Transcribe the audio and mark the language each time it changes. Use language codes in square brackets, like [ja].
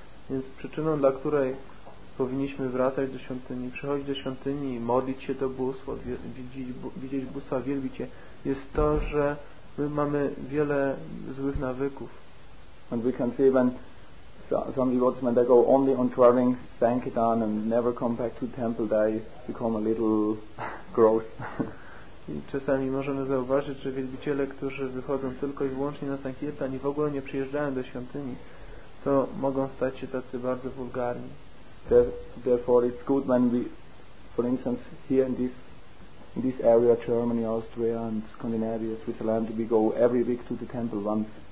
[pl] Więc przyczyną, dla której powinniśmy wracać do świątyni, przychodzić do świątyni, modlić się do bóstwa, widzieć bóstwa, wielbić je, jest to, że my mamy wiele złych nawyków. [en] And we can see when some devotees, when they go only on traveling sankirtan and never come back to temple, they become a little gross. [pl] I czasami możemy zauważyć, że wielbiciele, którzy wychodzą tylko i wyłącznie na sankirtan i w ogóle nie przyjeżdżają do świątyni, to mogą stać się tacy bardzo wulgarni. [en] Therefore it's good when we, for instance, here in this area, Germany, Austria and Scandinavia, Switzerland, we go every week to the temple once.